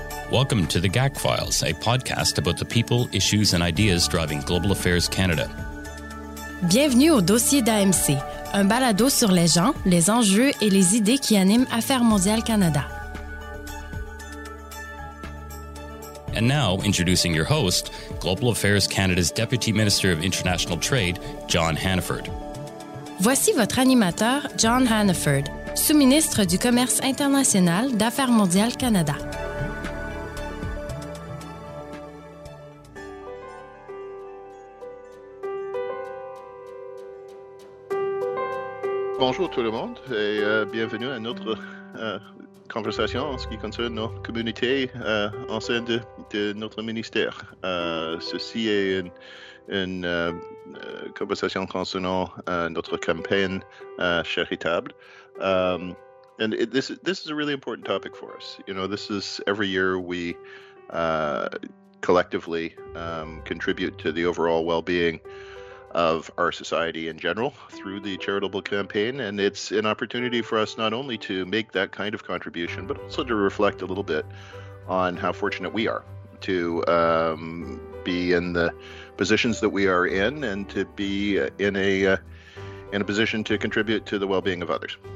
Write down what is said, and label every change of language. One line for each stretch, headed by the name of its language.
English: Welcome to the GAC Files, a podcast about the people, issues and ideas driving Global Affairs Canada.
French: Bienvenue au dossier d'AMC, un balado sur les gens, les enjeux et les idées qui animent Affaires mondiales Canada.
English: And now, introducing your host, Global Affairs Canada's Deputy Minister of International Trade, John Hannaford.
French: Voici votre animateur, John Hannaford, sous-ministre du Commerce international d'Affaires mondiales Canada. Bonjour tout le monde et bienvenue à notre conversation en ce qui concerne nos communautés en sein de notre ministère. Ceci est une conversation concernant notre campagne charitable.
English: And this is a really important topic for us. You know, this is every year we collectively contribute to the overall well-being of our society in general through the charitable campaign, and it's an opportunity for us not only to make that kind of contribution but also to reflect a little bit on how fortunate we are to be in the positions that we are in and to be in a position to contribute to the well-being of others.